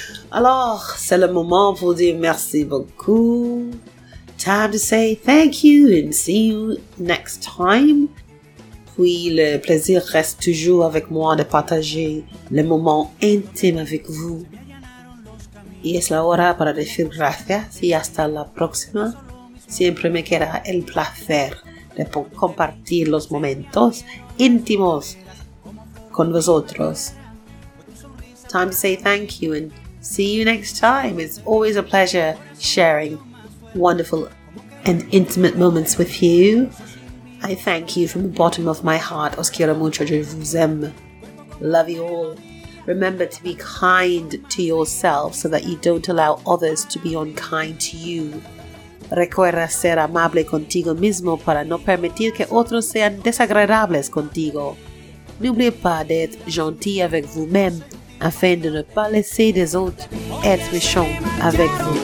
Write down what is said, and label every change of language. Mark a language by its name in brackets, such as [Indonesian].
[French] Alors, c'est le moment pour dire merci beaucoup. [English] Time to say thank you and see you next time. [French] Puis le plaisir reste toujours avec moi de partager le moment intime avec vous. [Spanish] Y es la hora para decir gracias y hasta la próxima. Siempre me queda el placer de compartir los momentos íntimos con vosotros. [English] Time to say thank you and see you next time. It's always a pleasure sharing wonderful and intimate moments with you. I thank you from the bottom of my heart. [Spanish] Os quiero mucho, yo vos amo. [English] Love you all. Remember to be kind to yourself so that you don't allow others to be unkind to you. [Spanish] Recuerda ser amable contigo mismo para no permitir que otros sean desagradables contigo. [French] N'oublie pas d'être gentil avec vous-même. Afin de ne pas laisser les autres être méchants avec vous.